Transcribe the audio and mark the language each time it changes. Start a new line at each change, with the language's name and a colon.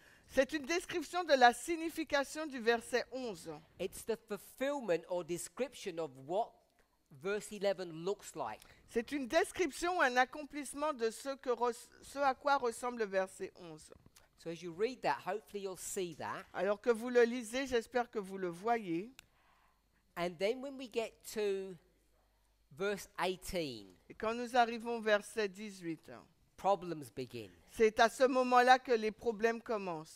French: C'est une description de la signification du verset 11.
English: It's the fulfillment or description of what verse 11 looks like.
French: C'est une description, un accomplissement de ce à quoi ressemble le verset 11.
English: So as you read that, hopefully you'll see that.
French: Alors que vous le lisez, j'espère que vous le voyez.
English: And then when we get to verse 18.
French: Et quand nous arrivons au verset 18.
English: Problems begin.
French: C'est à ce moment-là que les problèmes commencent.